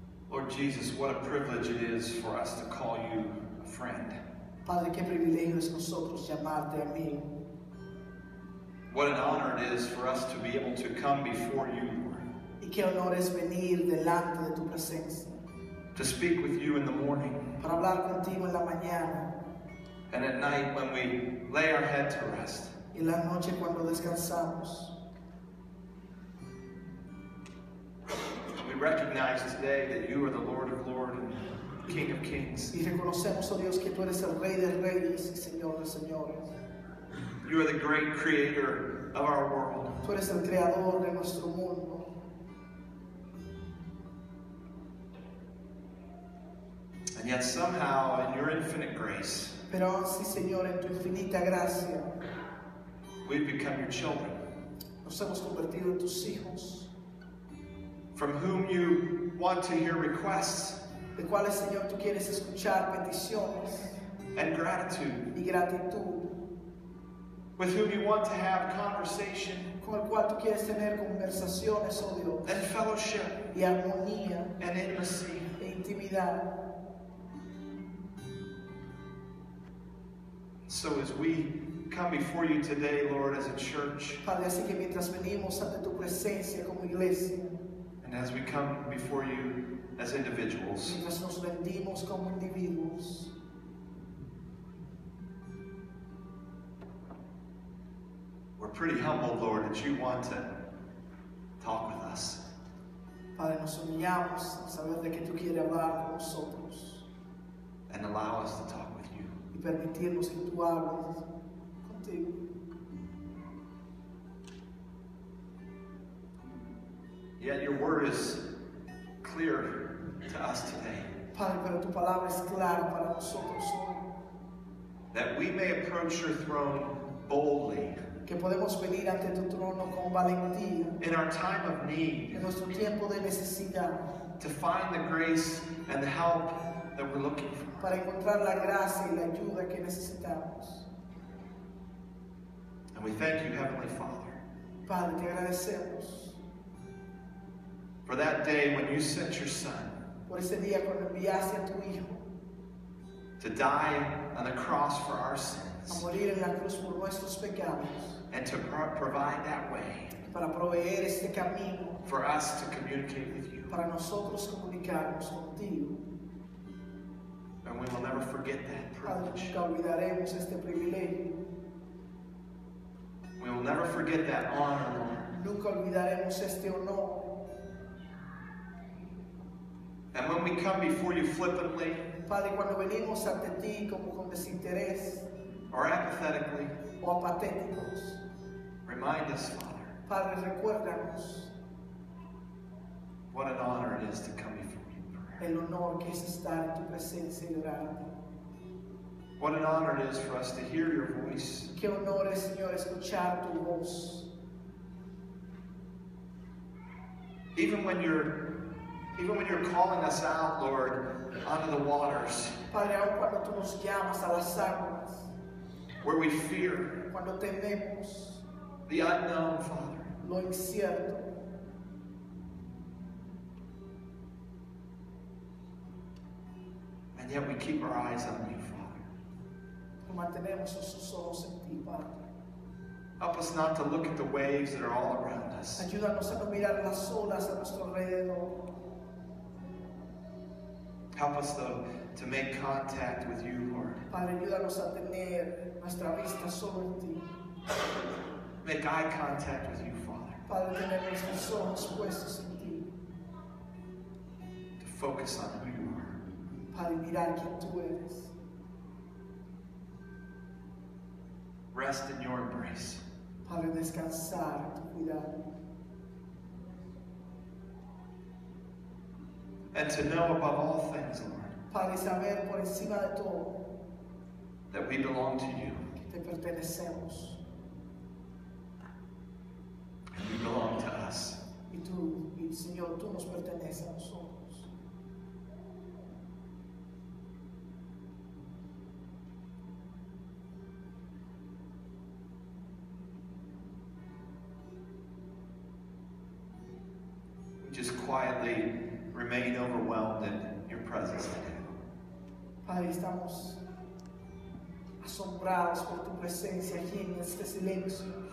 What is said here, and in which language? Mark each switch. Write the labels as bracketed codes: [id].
[en] Lord Jesus, what a privilege it is for us to call you a friend. [es] Padre, qué privilegio es nosotros llamarte amigo. [en] What an honor it is for us to be able to come before you, Lord. [es] Y qué honor es venir delante de tu presencia. [en] To speak with you in the morning. [es] Para hablar contigo en la mañana. [en] And at night when we lay our head to rest. [es] Y la noche cuando descansamos. [en] We recognize today that you are the Lord of Lords and King of Kings. [es] Y reconocemos, oh Dios, que tú eres el Rey de Reyes y Señor de Señores. [en] You are the great creator of our world. [es] Tú eres el creador de nuestro mundo. [en] And yet somehow in your infinite grace. [es] Pero sí, Señor, en tu infinita gracia. [en] We've become your children. [es] Nos hemos convertido en tus hijos. [en] From whom you want to hear requests. [es] De cuáles, Señor, tú quieres escuchar peticiones. [en] And gratitude. [es] Y gratitud. [en] With whom you want to have conversation. [es] Con el cual tú quieres tener conversaciones, oh Dios. [en] And fellowship. [es] Y armonía. [en] And intimacy. [es] E intimidad. [en] So as we come before you today, Lord, as a church. [es] Padre, así que mientras venimos ante tu presencia como iglesia. [en] And as we come before you as individuals, [es] mientras nos rendimos como individuos, [en] we're pretty humbled, Lord, that you want to talk with us. [es] Padre, nos humillamos al saber de que tú quieres hablar con nosotros. [en] And allow us to talk with you. [es] Y permitirnos que tú hables contigo. [en] Yet your word is clear to us today. [es] Padre, pero tu palabra es clara para nosotros hoy. [en] That we may approach your throne boldly. [es] Que podemos venir ante tu trono con valentía. [en] In our time of need. [es] En nuestro tiempo de necesidad. [en] To find the grace and the help that we're looking for. [es] Para encontrar la gracia y la ayuda que necesitamos. [en] And we thank you, Heavenly Father. [es] Padre, te agradecemos. [en] For that day when you sent your son. [es] Por ese día cuando enviaste a tu hijo. [en] To die on the cross for our sins. [es] A morir en la cruz por nuestros pecados. [en] And to provide that way. [es] Para proveer este camino. [en] For us to communicate with you. [es] Para nosotros comunicarnos contigo. [en] And we will never forget that privilege. [es] Nunca olvidaremos este privilegio. [en] We will never forget that honor. [es] Nunca olvidaremos este honor. [en] And when we come before you flippantly, [es] Padre, cuando venimos ante ti como con desinterés, [en] or apathetically, [es] o apatéticos, [en] remind us, Father, [es] Padre, recuérdanos, [en] what an honor it is to come before you. [es] El honor que es estar en tu presencia y orar. [en] What an honor it is for us to hear your voice. [es] Qué honor es, Señor, escuchar tu voz. [en] Even when you're calling us out, Lord, onto the waters. [es] Padre, aun cuando tú nos llamas a las aguas. [en] Where we fear. [es] Cuando tememos. [en] The unknown, Father. [es] Lo incierto. [en] And yet we keep our eyes on you, Father. Help us not to look at the waves that are all around us. [es] Ayúdanos a no mirar las olas a nuestro alrededor. [en] Help us, though, to make contact with you, Lord. [es] Padre, ayúdanos a tener nuestra vista solo en ti. [en] Make eye contact with you, Father. [es] Padre, tener nuestros ojos puestos en ti. [en] To focus on who you are. [es] Padre, mirar quién tú eres. [en] Rest in your embrace. [es] Padre, descansar en tu cuidado. [en] And to know above all things, Lord, [es] Padre, saber por encima de todo, [en] that we belong to you. [es] Que te pertenecemos. [en] And you belong to us. [es] Y tú, y Señor, tú nos perteneces a nosotros. [en] Just quietly remain overwhelmed in your presence today. [es] Padre, estamos asombrados por tu presencia aquí en este silencio.